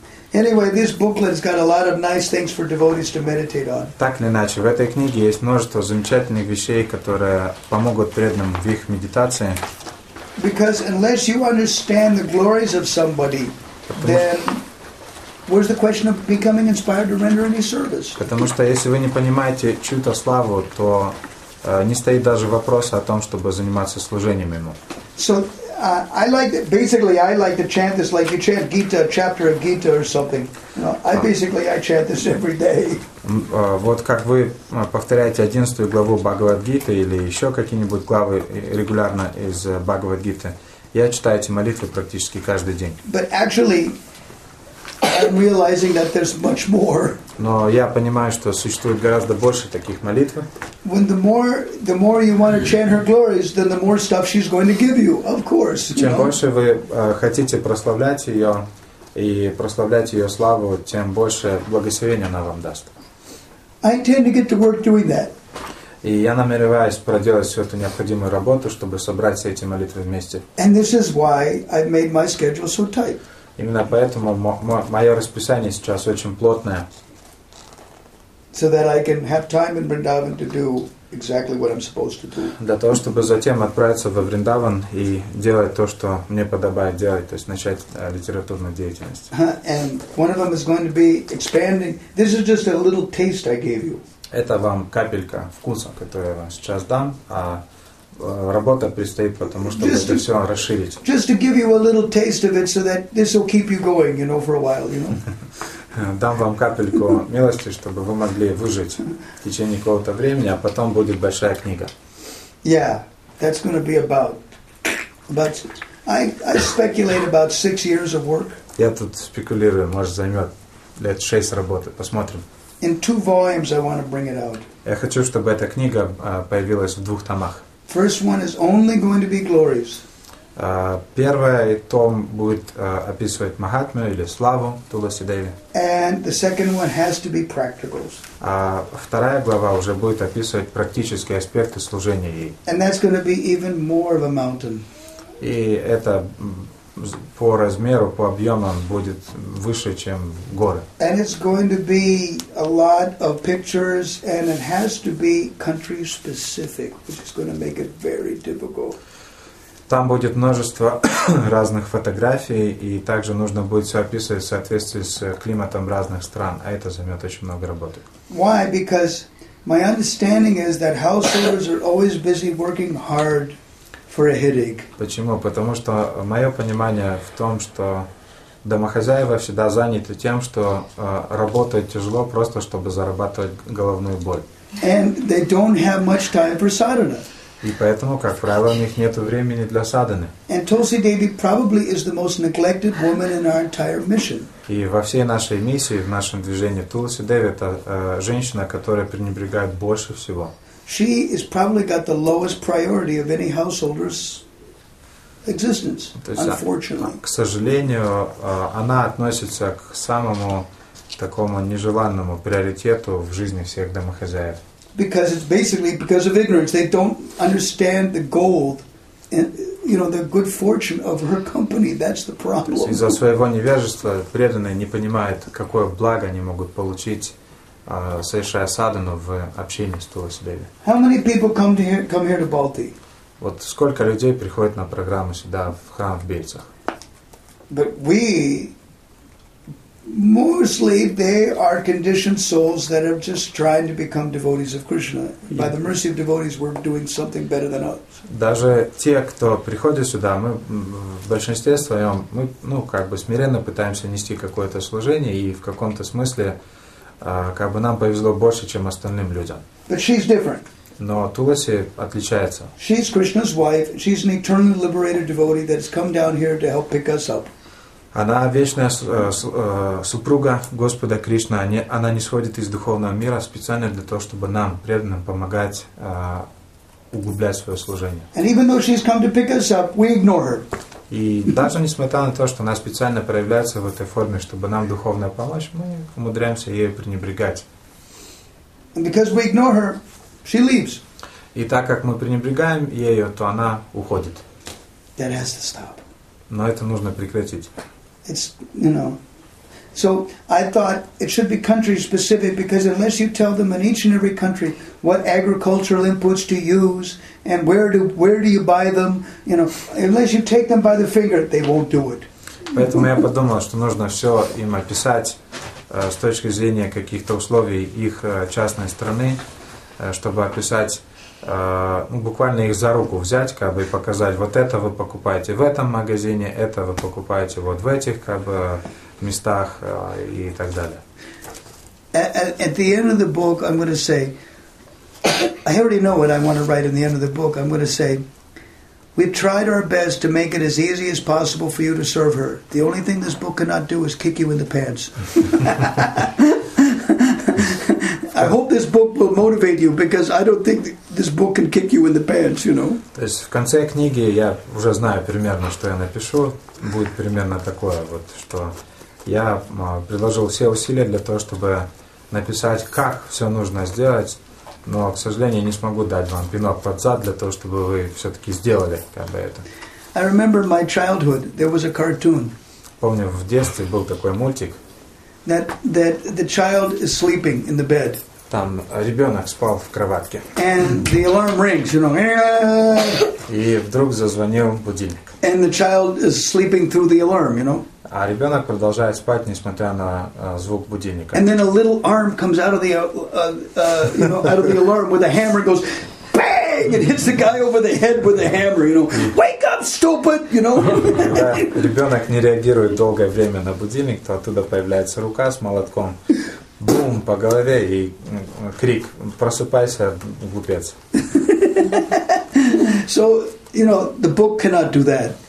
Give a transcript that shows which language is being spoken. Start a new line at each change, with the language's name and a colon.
Russian: Так или иначе, в этой книге есть множество замечательных вещей, которые помогут преданным в их медитации.
English: Because unless you understand the glories of somebody, then where's the question of becoming inspired to render any service?
Russian: Потому что если вы не понимаете чью-то славу, то не стоит даже вопроса о том, чтобы заниматься служением ему.
English: So I like to chant this like you chant Gita, chapter of Gita or something. I chant this every day.
Russian: Вот как вы повторяете 11 главу Бхагавад-гиты или еще какие-нибудь главы регулярно из Бхагавад-гиты. Я читаю эти молитвы практически каждый день.
English: But actually I'm realizing that there's much more.
Russian: Но я понимаю, что существует гораздо больше таких молитв.
English: When the more you want to chant her glories, then the more stuff she's going to give you, of course.
Russian: Чем больше вы хотите прославлять ее и прославлять ее славу, тем больше благословения она вам даст.
English: I intend to get to work doing that.
Russian: И я намереваюсь проделать всю эту необходимую работу, чтобы собрать все эти молитвы вместе.
English: And this is why I've made my schedule so tight.
Russian: Именно поэтому мое расписание сейчас очень плотное.
English: So that I can have time in Vrindavan to do exactly what I'm supposed to do.
Russian: Для того, чтобы затем отправиться во Вриндаван и делать то, что мне подобает делать, то есть начать литературную деятельность.
English: And one of them is going to be expanding. This is just a little taste I gave you.
Russian: Это вам капелька вкуса, которую я вам сейчас дам, а работа предстоит, потому что это все расширить.
English: Just to give you a little taste of it, so that this will keep you going, you know, for a while, you know.
Russian: Дам вам капельку милости, чтобы вы могли выжить в течение какого-то времени, а потом будет большая книга.
English: Yeah, that's going to be about I speculate about 6 years of work.
Russian: Я тут спекулирую, может займет лет 6 работы, посмотрим.
English: In 2 volumes, I want to bring it out.
Russian: Я хочу, чтобы эта книга появилась в 2 томах.
English: First one is only going to be glories.
Russian: Первый том будет описывать Махатмю или славу Туласи Деви.
English: And the second one has to be practicals.
Russian: Вторая глава уже будет описывать практические аспекты служения ей.
English: And that's going to be even more of a mountain.
Russian: И это по размеру, по объемам будет выше, чем горы.
English: And it's going to be a lot of pictures, and it has to be country specific, which is going to make it very difficult.
Russian: Там будет множество разных фотографий, и также нужно будет все описывать в соответствии с климатом разных стран, а это займет очень много работы.
English: Why? Because my understanding is that householders are always busy working hard.
Russian: Почему? Потому что мое понимание в том, что домохозяева всегда заняты тем, что работают тяжело просто, чтобы зарабатывать головную боль.
English: And they don't have much time for sadhana.
Russian: И поэтому, как правило, у них нет времени для садханы.
English: And Tulsi Devi probably is the most neglected woman in our entire mission.
Russian: И во всей нашей миссии, в нашем движении, Тулси Деви — это женщина, которая пренебрегает больше всего.
English: She has probably got the lowest priority of any householder's existence, unfortunately.
Russian: К сожалению, она относится к самому такому нежеланному приоритету в жизни всех домохозяев.
English: Because it's basically because of ignorance. They don't understand the gold and, you know, the good fortune of her company. That's the problem.
Russian: Из-за своего невежества преданные не понимают, какое благо они могут получить, совершая садхану в общении с Тулси Деви.
English: How many people come here to Balti?
Russian: Вот сколько людей приходит на программу сюда, в храм в Бельцах?
English: But we, mostly they are conditioned souls that are just trying to become devotees of Krishna. By the mercy of devotees, we're doing something better than us.
Russian: Даже те, кто приходит сюда, мы в большинстве своем, мы, ну, как бы смиренно пытаемся нести какое-то служение, и в каком-то смысле, как бы нам повезло больше, чем остальным людям.
English: But she's different.
Russian: Но Туласи отличается.
English: She's Krishna's wife. She's an eternally liberated devotee that's come down here to help pick us up.
Russian: Она вечная супруга Господа Кришны. Она нисходит из духовного мира специально для того, чтобы нам, преданным, помогать углублять свое служение.
English: And even though she's come to pick us up, we ignore her.
Russian: И даже несмотря на то, что она специально проявляется в этой форме, чтобы нам духовная помощь, мы умудряемся ею пренебрегать.
English: And because we ignore her, she leaves.
Russian: И так как мы пренебрегаем ею, то она уходит.
English: That has to stop.
Russian: Но это нужно прекратить.
English: It's, you know, so I thought it should be country specific, because unless you tell them in each and every country what agricultural inputs to use and where do you buy them, you know, unless you take them by the finger, they won't do it.
Russian: Поэтому я подумал, что нужно все им описать с точки зрения каких-то условий их частной страны, чтобы описать. Ну, буквально их за руку взять, как бы, и показать, вот это вы покупаете в этом магазине, это вы покупаете вот в этих, как бы, местах, и так далее.
English: At the end of the book, I'm going to say, I already know what I want to write in the end of the book. I'm going to say, we've tried our best to make it as easy as possible for you to serve her. The only thing this book cannot do is kick you in the pants. I hope this book will motivate you, because I don't think this book can kick you in the pants, you know.
Russian: То есть в конце книги я уже знаю примерно, что я напишу. Будет примерно такое вот, что я приложил все усилия для того, чтобы написать, как все нужно сделать, но, к сожалению, не смогу дать вам пинок под зад для того, чтобы вы все-таки сделали как бы это.
English: I remember my childhood. There was a cartoon.
Russian: Помню, в детстве был такой мультик.
English: That the child is sleeping in the bed.
Russian: Там ребенок спал в кроватке.
English: And the alarm rings, you know.
Russian: И вдруг зазвонил будильник.
English: And the child is sleeping through the alarm, you know.
Russian: А ребенок продолжает спать, несмотря на звук будильника.
English: And then a little arm comes out of the out of the alarm with a hammer and goes bang! It hits the guy over the head with a hammer, you know. Wake up, stupid! You know.
Russian: Ребенок не реагирует долгое время на будильник, то оттуда появляется рука с молотком. Бум, по голове, и крик, просыпайся, глупец.
English: So, you know, the book cannot do that.